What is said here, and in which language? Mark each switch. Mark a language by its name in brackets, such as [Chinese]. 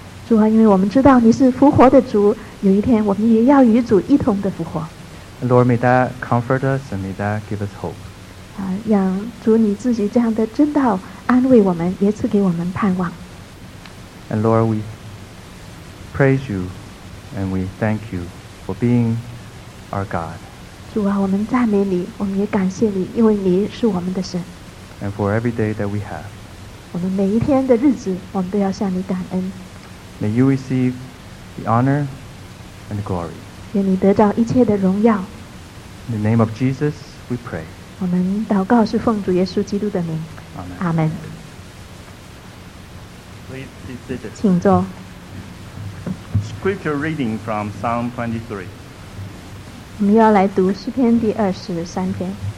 [Chinese] 主啊，因为我们知道你是复活的主，有一天我们也要与主一同的复活。 [English] Lord, may that comfort us and may that give us hope. [Chinese] 让主你自己这样的真道安慰我们，也赐给我们盼望。 [English] And Lord, we praise you and we thank you for being our God. [Chinese] 主啊，我们赞美你，我们也感谢你，因为你是我们的神。 [English] And for every day that we have. [Chinese] 我们每一天的日子，我们都要向你感恩。 [English] May you receive the honor and the glory. [Chinese] 愿你得到一切的荣耀。 [English] In the name of Jesus, we pray. [Chinese] 我们祷告是奉主耶稣基督的名。 [English] Amen. Amen. Please sit. [Chinese] 请坐。 [English] Scripture reading from Psalm 23. [Chinese] 我们要来读诗篇第二十三篇。